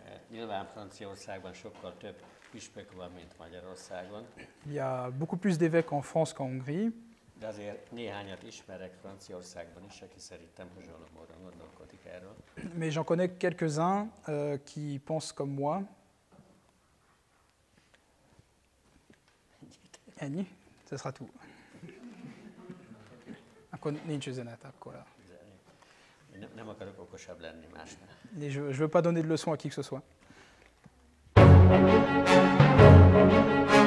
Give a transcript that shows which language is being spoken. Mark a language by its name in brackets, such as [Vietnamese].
[Hungarian] Nyilván Franciaországban sokkal több püspök van, mint Magyarországon. [French] Il y a beaucoup plus d'évêques en France qu'en Hongrie. [Hungarian] De azért néhányat ismerek Franciaországban is, aki szerintem hasonló módon gondolkodik erről. [French] Mais j'en connais quelques-uns qui pensent comme moi. [Hungarian] Ennyi? [French] Ce sera tout. [Hungarian] Akkor nincs üzenet, akkor. Nem akarok okosabb lenni másnál. [French] Et je veux pas donner de leçon à qui que ce soit.